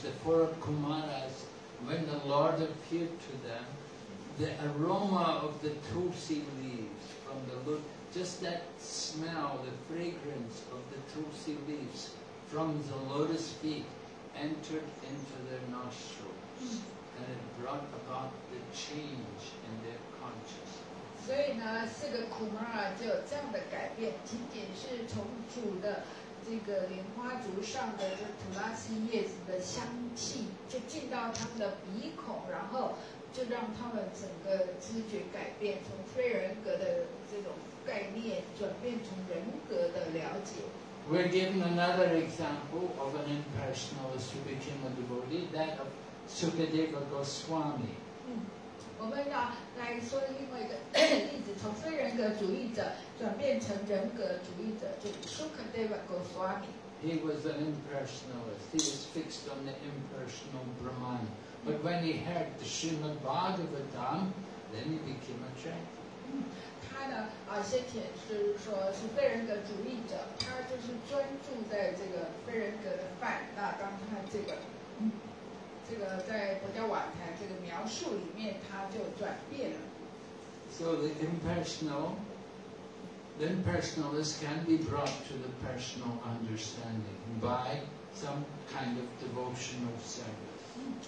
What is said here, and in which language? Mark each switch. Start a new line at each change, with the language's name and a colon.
English: The four Kumaras, when the Lord appeared to them, the aroma of the tulsi leaves from the lotus, just that smell, the fragrance of the tulsi leaves from the lotus feet entered into their nostrils. And it brought about the change in their consciousness.
Chinese: 所以呢，四个苦玛拉就有这样的改变，仅仅是从主的这个莲花竹上的这土拉斯叶子的香气，就进到他们的鼻孔，然后就让他们整个知觉改变，从非人格的这种概念转变成人格的了解。
English: We're given another example of an impersonalist who became a devotee, that of Sukadeva Goswami.
Chinese: 我们要来说另外一个例子，从非人格主义者转变成人格主义者，就是 Sukadeva Goswami。
English: He was an impersonalist. He was fixed on the impersonal Brahman. But when he heard the Srimad Bhagavatam, then he became attracted.
Chinese: 他呢，先前是说是非人格主义者，他就是专注在这个非人格的范。那当他这个。这个在佛教瓦台这个描述里面它就转变了。
English: So the impersonal, the impersonalist can be brought to the personal understanding by some kind of devotional service.